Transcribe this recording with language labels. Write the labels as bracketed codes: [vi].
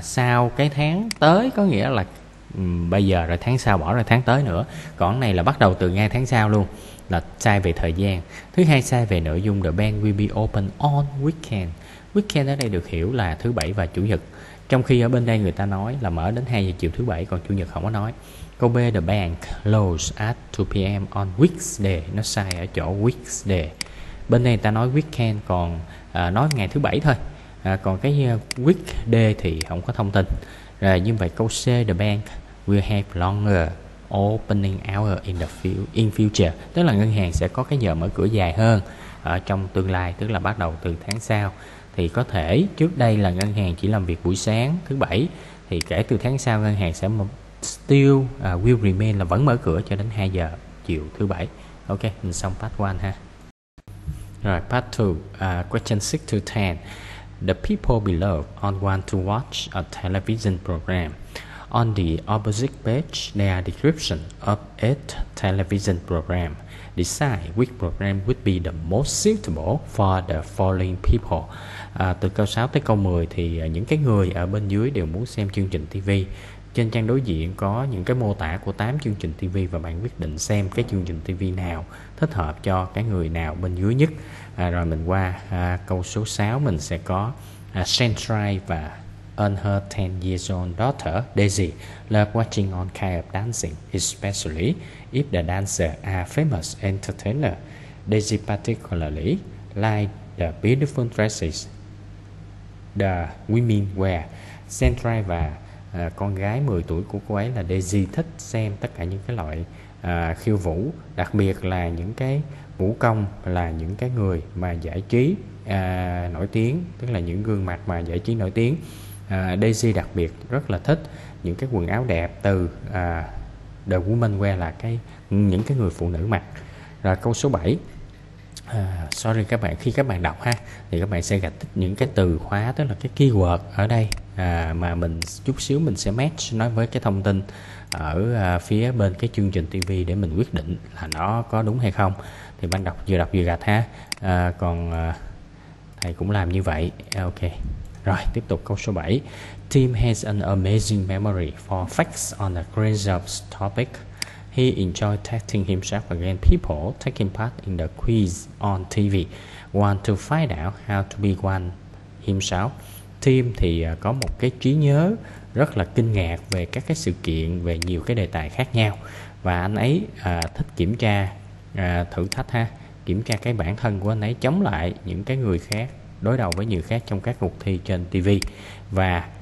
[vi] Sau cái tháng tới có nghĩa là bây giờ rồi, tháng sau bỏ rồi tháng tới nữa, còn này là bắt đầu từ ngay tháng sau luôn, là sai về thời gian. Thứ hai, sai về nội dung, [en] the bank will be open on weekend. [vi] Weekend ở đây được hiểu là thứ bảy và chủ nhật, trong khi ở bên đây người ta nói là mở đến 2 giờ chiều thứ bảy, còn chủ nhật không có nói. Câu B, [en] the bank close at 2 p.m. on weekday. [vi] Nó sai ở chỗ weekday, bên đây người ta nói weekend, còn nói ngày thứ bảy thôi, còn cái weekday thì không có thông tin. Rồi như vậy câu C, [en] the bank will have longer opening hour in the future. [vi] Tức là ngân hàng sẽ có cái giờ mở cửa dài hơn ở trong tương lai, tức là bắt đầu từ tháng sau. Thì có thể trước đây là ngân hàng chỉ làm việc buổi sáng thứ bảy, thì kể từ tháng sau ngân hàng sẽ [en] still will remain [vi] là vẫn mở cửa cho đến 2 giờ chiều thứ bảy. Ok, mình xong part 1 ha. Rồi part 2, question 6 to 10. [en] The people below all want to watch a television program. On the opposite page, there are description of a television program. Decide which program would be the most suitable for the following people. [vi] Từ câu 6 tới câu 10 thì những cái người ở bên dưới đều muốn xem chương trình TV. Trên trang đối diện có những cái mô tả của 8 chương trình TV và bạn quyết định xem cái chương trình TV nào thích hợp cho cái người nào bên dưới nhất. Rồi mình qua câu số 6, mình sẽ có Sentry và [en] and her 10 years old daughter Daisy love watching all kind of dancing, especially if the dancers are famous entertainer. Daisy particularly like the beautiful dresses the women wear. [vi] Sentry và con gái 10 tuổi của cô ấy là Daisy thích xem tất cả những cái loại khiêu vũ, đặc biệt là những cái vũ công, là những cái người mà giải trí nổi tiếng, tức là những gương mặt mà giải trí nổi tiếng. Daisy đặc biệt rất là thích những cái quần áo đẹp từ [en] The Woman Wear, [vi] là cái những cái người phụ nữ mặc. Rồi câu số 7, sorry các bạn, khi các bạn đọc ha thì các bạn sẽ gạch tích những cái từ khóa, tức là cái keyword ở đây mà mình chút xíu mình sẽ match nó với cái thông tin ở phía bên cái chương trình TV để mình quyết định là nó có đúng hay không. Thì bạn đọc vừa gạch ha. Còn thầy cũng làm như vậy. [en] Ok. [vi] Rồi tiếp tục câu số 7. [en] Tim has an amazing memory for facts on a range of topic. He enjoys testing himself against people taking part in the quiz on TV. Want to find out how to be one himself. [vi] Tim thì có một cái trí nhớ rất là kinh ngạc về các cái sự kiện, về nhiều cái đề tài khác nhau. Và anh ấy thích kiểm tra, thử thách ha, kiểm tra cái bản thân của anh ấy chống lại những cái người khác, đối đầu với nhiều khác trong các cuộc thi trên TV. Và